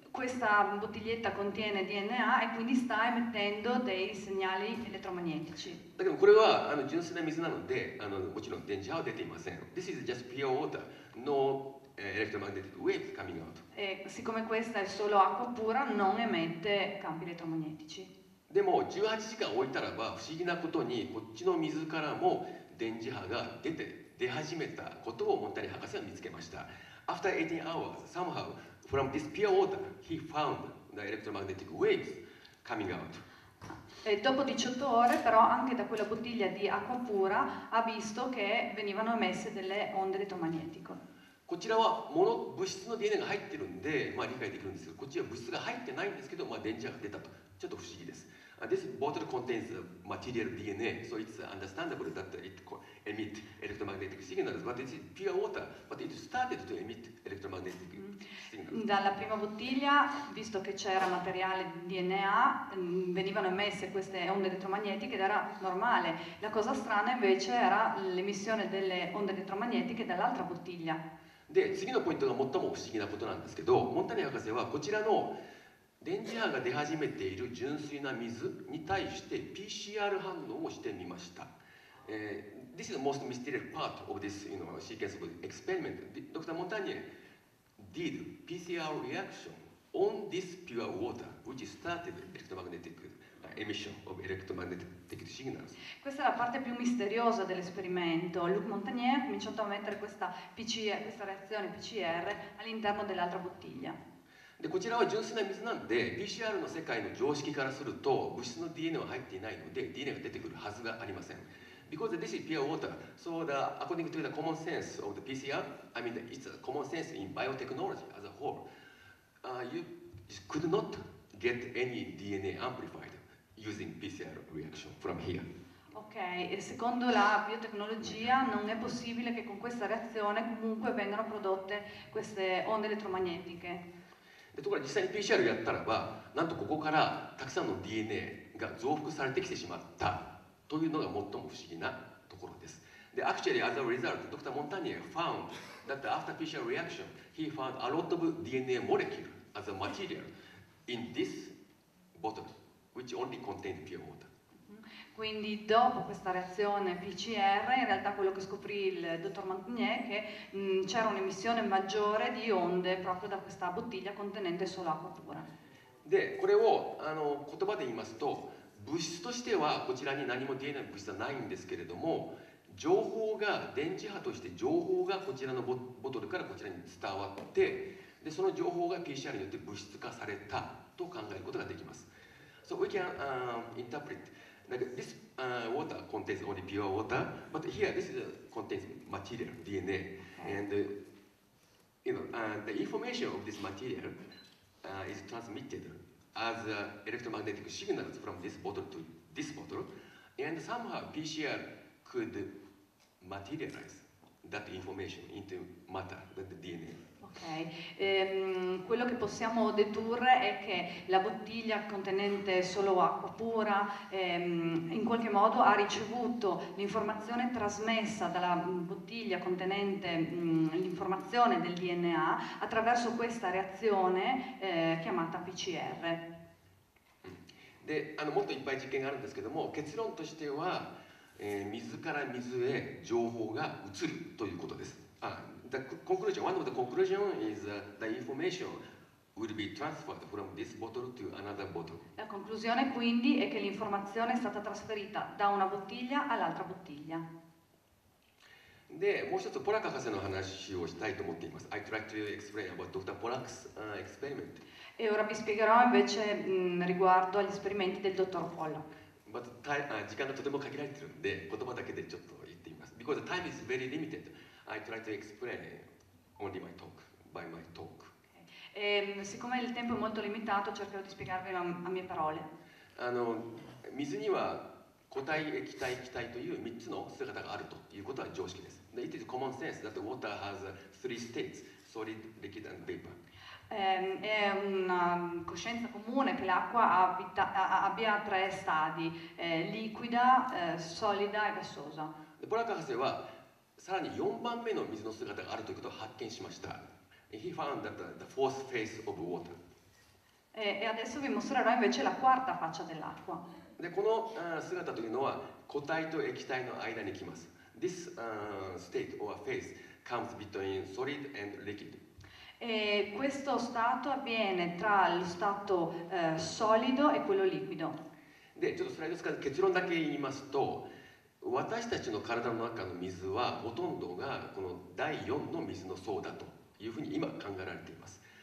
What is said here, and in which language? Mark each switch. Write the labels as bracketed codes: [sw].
[it] Questa bottiglietta contiene DNA e quindi sta emettendo dei segnali elettromagnetici. [ja] だけどこれはあの純粋な水なので、あのもちろん電磁波は出ていません。 [en] This is just pure water, no electromagnetic waves coming out. [it] E siccome questa è solo acqua pura, non emette campi elettromagnetici. [ja] でも18時間置いたらば、不思議なことにこっちの水からも電磁波が出始めたことをモンタリー博士は見つけました。 [en] After 18 hours, somehow, from this pure water, he found the electromagnetic waves coming out. [it] Dopo 18 ore, però, anche da quella bottiglia di acqua pura, ha visto che venivano emesse delle onde elettromagnetiche. [ja] こちらは物質の DNA が入ってるんで、まあ、理解できるんですけど、こっちは物質が入ってないんですけど、まあ、電磁波が出たと。ちょっと不思議です。 [en] This bottle contains material DNA, so it's understandable that it emits electromagnetic signals. But it's pure water, but it started to emit electromagnetic signals. [it] Dalla prima bottiglia, visto che c'era materiale DNA, venivano emesse queste onde elettromagnetiche ed era normale. La cosa strana invece era l'emissione delle onde elettromagnetiche dall'altra bottiglia. [ja] で、次のポイントが最も不思議なことなんですけど、モンタニー博士はこちらの電磁波が出始めている純粋な水に対して PCR 反応をしてみました。 [en] This is the most mysterious part of this, you know, sequence of experiment. Dr. Montagnier did PCR reaction on this pure water, which started electromagnetic emission of electromagnetic signals. [it] Questa è la parte più misteriosa dell'esperimento. Luc Montagnier ha cominciato a mettere questa reazione PCR all'interno dell'altra bottiglia. [ja] でこちらは純粋な水なんで、PCR の世界の常識からすると、物質の DNA は入っていないので、DNA が出てくるはずがありません。 [en] Because this is pure water, so the, according to the common sense of the PCR, I mean, it's a common sense in biotechnology as a whole, you could not get any DNA amplified using PCR reaction from here. [it] Ok, e secondo la biotecnologia non è possibile che con questa reazione comunque vengano prodotte queste onde elettromagnetiche. [ja] ところが実際に PCR をやったらば、なんとここからたくさんの DNA が増幅されてきてしまったというのが最も不思議なところです。 [en] で、actually, as a result, Dr. Montagnier found that after PCR reaction, he found a lot of DNA molecule as a material in this bottle, which only contained pure water. [it] Quindi dopo questa reazione PCR, in realtà quello che scoprì il dottor Montagnier è che c'era un'emissione maggiore di onde proprio da questa bottiglia contenente solo acqua pura. [ja] で、これを言葉で言いますと、物質としてはこちらに何も DNA 物質はないんですけれども、情報が電磁波として情報がこちらのボトルからこちらに伝わって、でその情報が PCR によって物質化されたと考えることができます。 [en] So we can interpret. Like this water contains only pure water, but here this contains material, DNA. And the information of this material is transmitted as electromagnetic signals from this bottle to this bottle. And somehow PCR could materialize that information into matter, that the DNA. [it] Ok, quello che possiamo dedurre è che la bottiglia contenente solo acqua pura in qualche modo ha ricevuto l'informazione trasmessa dalla bottiglia contenente l'informazione del DNA attraverso questa reazione chiamata PCR. [ja] で、molto ippai 実験があるんですけども、結論としては、水から水へ情報が移るということです。 [en] The conclusion, one of the conclusion is the information will be transferred from this bottle to another bottle. [it] La conclusione quindi è che l'informazione è stata trasferita da una bottiglia all'altra bottiglia. [ja] で、もう一つポラック博士の話をしたいと思っています。 [en] I'd like to explain about Dr. Pollack's experiment. [it] E ora vi spiegherò invece riguardo agli esperimenti del dottor Pollack. [ja] But 時間がとても限られているので、言葉だけでちょっと言っています。 [en] Because the time is very limited. I try to explain only my talk, by my talk. [it] Siccome il tempo è molto limitato, cercherò di spiegarvi a mie parole. [ja] 水には固体液体気体という3つの姿があるということは常識です。 [en] It is common sense that water has three states: solid, liquid, and vapor. [it] È una coscienza comune che l'acqua abbia tre stadi: liquida, solida e gassosa. [ja] ポラカ博士はさらに4番目の水の姿があるということを発見しました。 [en] He found that the fourth face of water. [it] E adesso vi mostrerò invece la quarta faccia dell'acqua. [ja] で、この姿というのは固体と液体の間に来ます。 [en] This state or phase comes between solid and liquid. [it] E questo stato avviene tra lo stato solido e quello liquido. [ja] で、ちょっとスライド使って結論だけ言いますと、私たちの体の中の水はほとんどがこの第4の水の層だというふうに今考えられています。